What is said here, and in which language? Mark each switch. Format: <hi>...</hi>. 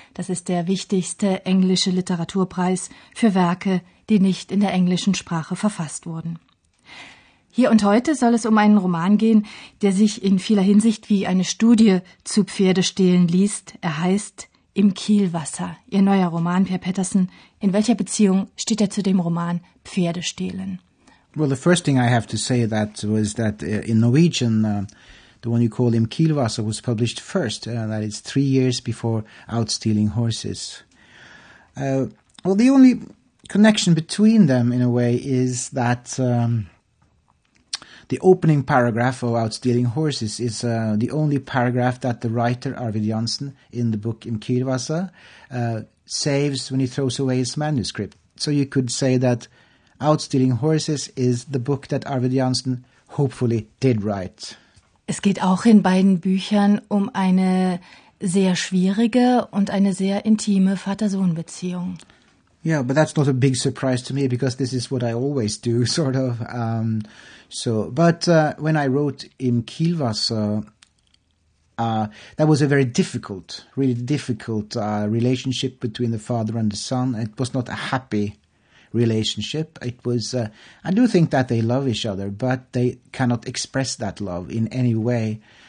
<de>Das ist der wichtigste englische Literaturpreis für Werke, die nicht in der englischen Sprache verfasst wurden. Hier und heute soll es um einen Roman gehen, der sich in vieler Hinsicht wie eine Studie zu Pferdestehlen liest. Er heißt Im Kielwasser, Ihr neuer Roman, Per Pettersen. In welcher Beziehung steht er zu dem Roman Pferdestehlen?</de> <en>Well, the first thing I have to say that was that in Norwegian, the one you call Im Kielwasser was published first, that is 3 years before Out Stealing Horses. Well, the only connection between them, in a way, is that the opening paragraph of Out Stealing Horses is the only paragraph that the writer Arvid Jansson in the book Im Kielwasser saves when he throws away his manuscript. So you could say that Out Stealing Horses is the book that Arvid Jansson hopefully did write.</en> <de>Es geht auch in beiden Büchern um eine sehr schwierige und eine sehr intime Vater-Sohn-Beziehung.</de> <en>Yeah, but that's not a big surprise to me because this is what I always do, sort of. But when I wrote Im Kielwasser, that was a very difficult, really difficult relationship between the father and the son. It was not a happy relationship. It was, I do think that they love each other, but they cannot express that love in any way.</en>